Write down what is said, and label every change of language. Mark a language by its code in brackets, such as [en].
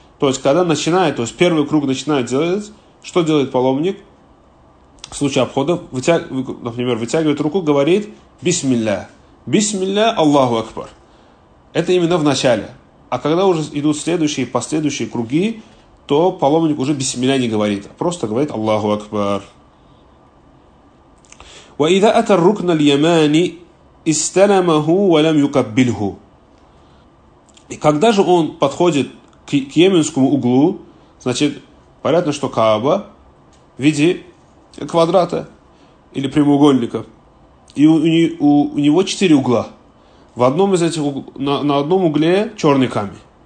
[ru] То есть, когда начинает, то есть первый круг начинает делать, что делает паломник в случае обхода? Например, вытягивает руку, говорит «Бисмилля». «Бисмилля Аллаху Акбар». Это именно в начале. А когда уже идут следующие и последующие круги, то паломник уже «Бисмилля» не говорит, а просто говорит «Аллаху Акбар». [ar] وإذا أتى الركن اليماني استلمه ولم يقبله. [ru] И когда же он подходит к йеменскому углу, значит, понятно, что Кааба в виде квадрата или прямоугольника. И у него четыре угла. В одном из этих на одном угле черный камень.